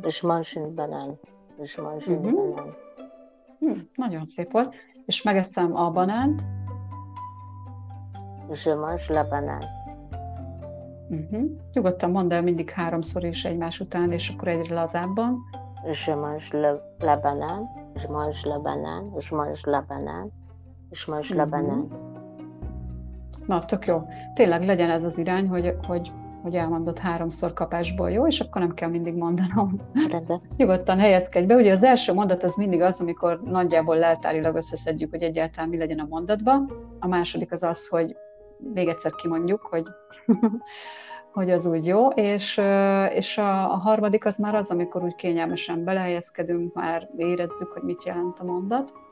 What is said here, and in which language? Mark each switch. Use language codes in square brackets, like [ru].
[fr] Je mange une banane. Je mange une banane. [hu] Nagyon szép volt. És megeszem a banánt. [fr] Je mange la banane. [hu] Nyugodtan mondd el mindig háromszor is egymás után, és akkor egyre lazábban. [fr] Je mange la banane, je mange la banane, je mange la banane, je mange la banane. [hu] Na, tök jó. Tényleg legyen ez az irány, hogy elmondod háromszor kapásból, jó? És akkor nem kell mindig mondanom. Rendben. Nyugodtan helyezkedj be. Ugye az első mondat az mindig az, amikor nagyjából leltárilag összeszedjük, hogy egyáltalán mi legyen a mondatban. A második az az, hogy még egyszer kimondjuk, hogy hogy az úgy jó, és a harmadik az már az, amikor úgy kényelmesen belehelyezkedünk, már érezzük, hogy mit jelent a mondat.